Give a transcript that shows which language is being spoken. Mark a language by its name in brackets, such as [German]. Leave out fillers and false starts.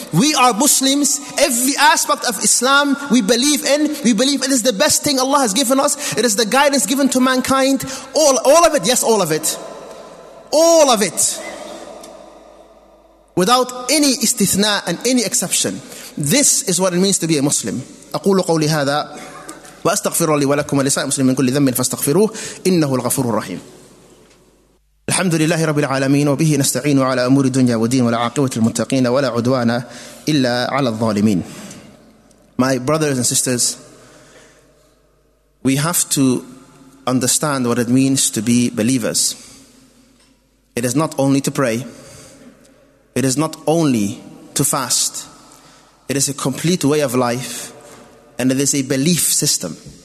[English] We are Muslims. Every aspect of Islam we believe in. We believe it is the best thing Allah has given us. It is the guidance given to mankind. All of it, yes, all of it. All of it, without any istithna and any exception. This is what it means to be a Muslim. [Arabic] أقول قولي هذا وأستغفر لي ولكم ولسائر المسلمين من كل ذنب فاستغفروه إنه الغفور الرحيم. الحمد لله رب العالمين وبه نستعين على أمور الدنيا والدين ولا عاقبة المتقين ولا عدوان إلا على الظالمين. [English] My brothers and sisters, we have to understand what it means to be believers. It is not only to pray. It is not only to fast. It is a complete way of life. And it is a belief system.